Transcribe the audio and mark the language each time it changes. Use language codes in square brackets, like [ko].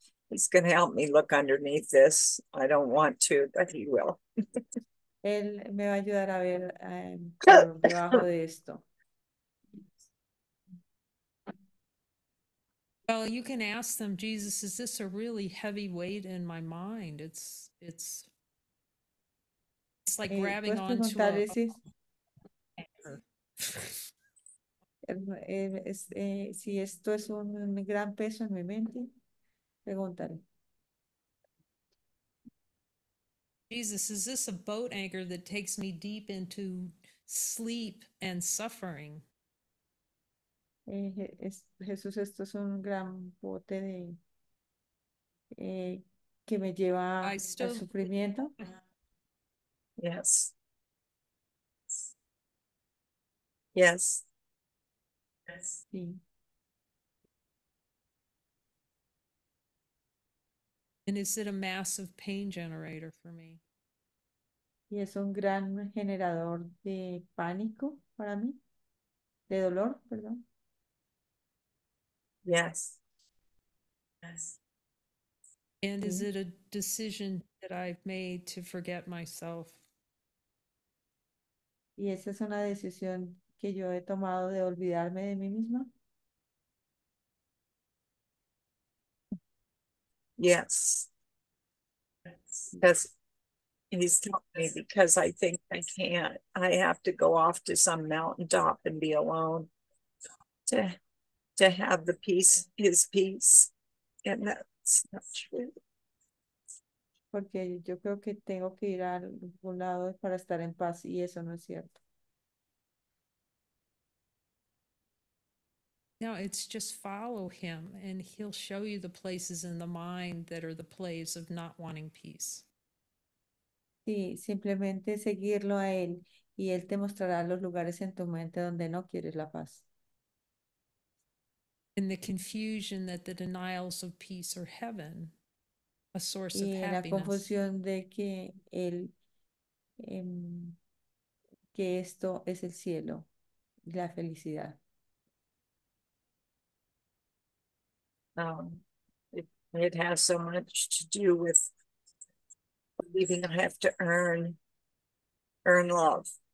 [en] He's going to help me look underneath this. I don't want to, but he will. [es] Él me va a ayudar a ver por debajo de esto. [en] Well, you can ask them, Jesus, is this a really heavy weight in my mind? It's like grabbing onto a [es] si esto es un gran peso en mi mente, pregúntale. [en] Jesus, is this a boat anchor that takes me deep into sleep and suffering? [es] Jesús, esto es un gran bote de que me lleva al sufrimiento. [en] Yes. Yes. Let's see. And is it a massive pain generator for me? [es] Y es un gran generador de pánico para mí. De dolor, perdón. [en] Yes. Yes. And is it a decision that I've made to forget myself? [es] Y esa es una decisión que yo he tomado de olvidarme de mí misma. [en] Yes. Yes. He's told me because I think I can't. I have to go off to some mountaintop and be alone to have the peace, his peace. And that's not true. [es] Porque yo creo que tengo que ir a algún lado para estar en paz y eso no es cierto. [en] No, it's just follow him and he'll show you the places in the mind that are the place of not wanting peace. [es] Sí, simplemente seguirlo a él y él te mostrará los lugares en tu mente donde no quieres la paz. [en] In the confusion that the denials of peace are heaven, a source [es] y [en] of happiness. [es] Y la confusión de que él que esto es el cielo, la felicidad. [en] It has so much to do with believing I have to earn love.